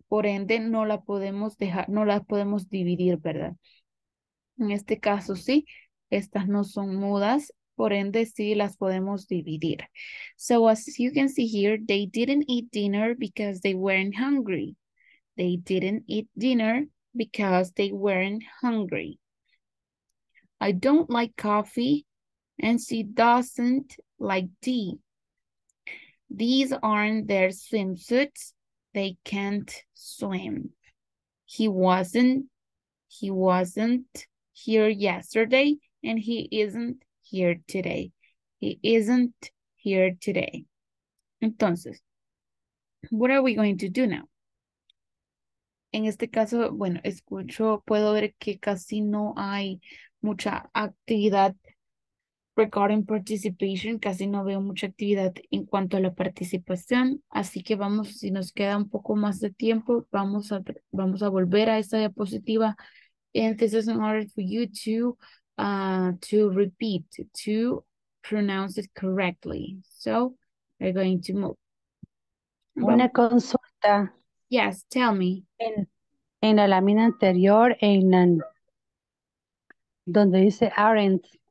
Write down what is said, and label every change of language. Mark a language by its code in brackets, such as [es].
[es] Por ende, no la podemos dejar, no la podemos dividir, ¿verdad? En este caso, sí, estas no son mudas, por ende, sí las podemos dividir. [en] So, as you can see here, they didn't eat dinner because they weren't hungry. They didn't eat dinner because they weren't hungry. I don't like coffee, and she doesn't like tea. These aren't their swimsuits. They can't swim. He wasn't here yesterday, and he isn't here today. He isn't here today. Entonces, what are we going to do now? [es] En este caso, bueno, escucho, puedo ver que casi no hay mucha actividad [en] regarding participation, [es] casi no veo mucha actividad en cuanto a la participación, así que vamos, si nos queda un poco más de tiempo, vamos a volver a esta diapositiva. [en] And this is in order for you to repeat, to pronounce it correctly. So, we're going to move. [es] Una consulta. [en] Yes, tell me. [es] En la lámina anterior, donde dice aren't.